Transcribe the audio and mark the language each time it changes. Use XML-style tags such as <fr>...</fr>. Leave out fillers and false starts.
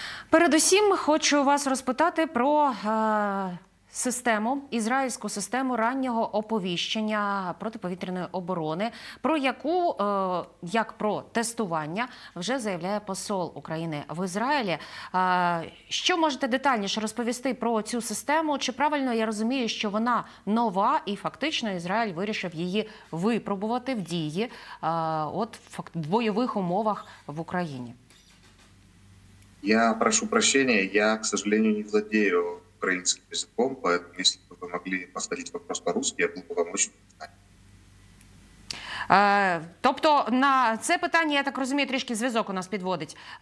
<uk>Передусім хочу вас розпитати про систему, ізраїльську систему раннього оповіщення протиповітряної оборони, про яку, як про тестування, вже заявляє посол України в Ізраїлі. Що можете детальніше розповісти про цю систему? Чи правильно я розумію, що вона нова і фактично Ізраїль вирішив її випробувати в дії в бойових умовах в Україні?</uk> <ru>Я прошу прощения, я, к сожалению, не владею украинским языком, поэтому если бы вы могли повторить вопрос по-русски, я был бы вам очень признателен.</ru> <uk>Тобто на це питання, я так розумію, трішки зв'язок у нас підводить.</uk>